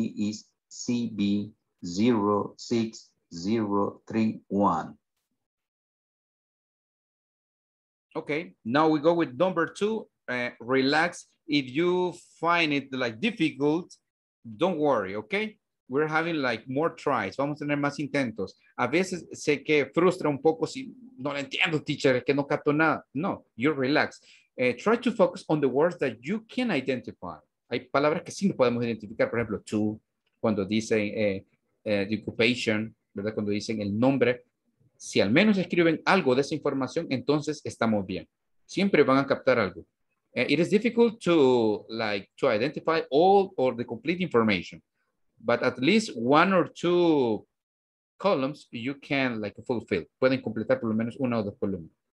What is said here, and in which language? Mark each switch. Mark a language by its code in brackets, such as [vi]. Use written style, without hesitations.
[en] My ID is CB06031. Okay, now we go with number two. Relax. If you find it like difficult, don't worry, okay? We're having like more tries. [es] Vamos a tener más intentos. A veces sé que frustra un poco si no lo entiendo, teacher, es que no capto nada. [en] No, you relax. Try to focus on the words that you can identify. [es] Hay palabras que sí no podemos identificar. Por ejemplo, to, cuando dicen [en] the occupation, [es] ¿verdad? Cuando dicen el nombre. Si al menos escriben algo de esa información, entonces estamos bien. Siempre van a captar algo. [en] It is difficult to like to identify all or the complete information. But at least one or two columns you can like fulfill. [es] Pueden completar por lo menos una o dos columnas.